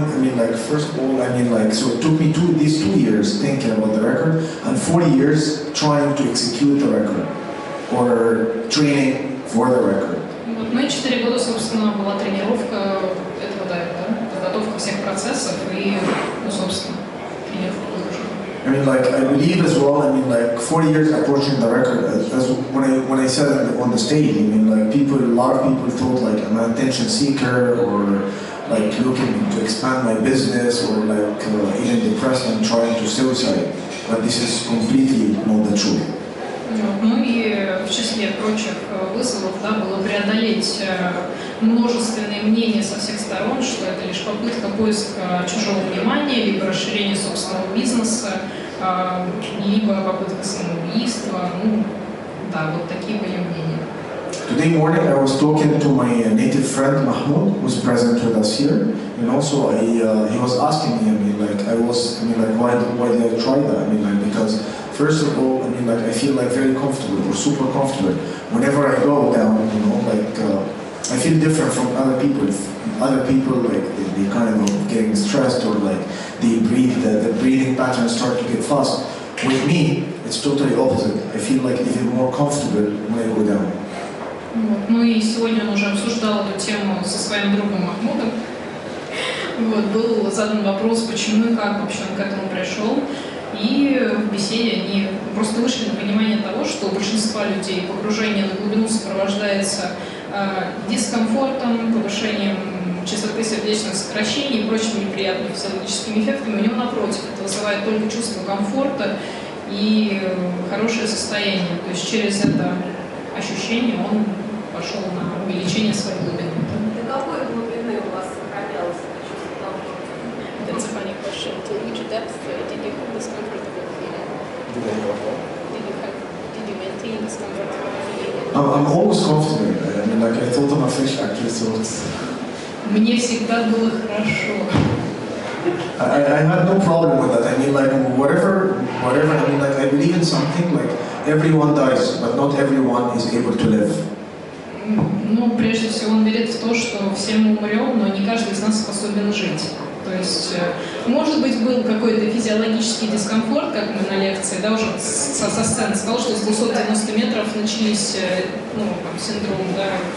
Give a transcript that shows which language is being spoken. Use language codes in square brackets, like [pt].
[en] I mean, like, first of all, I mean, like, so it took me these two years thinking about the record, and 4 years trying to execute the record or training for the record. [ru] Вот мы 4 года, собственно, была тренировка этого дайва, подготовка всех процессов и, ну, собственно, [en] тренировка. I mean, like, I believe as well. I mean, like, 4 years approaching the record. As when I said on the stage, I mean. A lot of people thought like I'm an attention seeker or like looking to expand my business or like even depressed and trying to suicide. But this is completely not the truth. [ru] Ну и в числе прочих вызовов, да, было преодолеть множественные мнения со всех сторон, что это лишь попытка поиска чужого внимания, либо расширения собственного бизнеса, либо попытка самоубийства. Ну да, вот такие были мнения. [en] Today morning, I was talking to my native friend Mahmoud, who's present with us here, and also he was asking me. Why did I try that? I mean, like, because first of all, I mean, like, I feel like very comfortable or super comfortable. Whenever I go down, you know, like, I feel different from other people. Other people, like, they kind of getting stressed or like they breathe, the breathing patterns start to get fast. With me, it's totally opposite. I feel like even more comfortable when I go down. [ru] Вот. Ну и сегодня он уже обсуждал эту тему со своим другом Махмудом. Вот. Был задан вопрос, почему и как вообще он к этому пришел. И в беседе они просто вышли на понимание того, что у большинства людей погружение на глубину сопровождается дискомфортом, повышением частоты сердечных сокращений и прочими неприятными физиологическими эффектами. У него напротив, это вызывает только чувство комфорта и хорошее состояние. То есть через это ощущение он пошел на увеличение своей глубины. До какой глубины у вас сохранялось это чувство комфорта? Это самое большое. [en] Do you have a discomfort of the feeling? Did you maintain the discomfort of the feeling? I'm always confident. I mean, like I thought I'm a fish actually, so it's... [ru] Мне всегда было хорошо. [en] I had no problem with that. I mean, like, whatever. I mean, like, I believe in something. Like, everyone dies, but not everyone is able to live. [ru] Ну, прежде всего, он верит в то, что все мы умрем, но не каждый из нас способен жить. То есть, может быть, был какой-то физиологический дискомфорт, как мы на лекции, да, уже со сцены сказал, что с 290 метров начались, ну, там, синдром, да.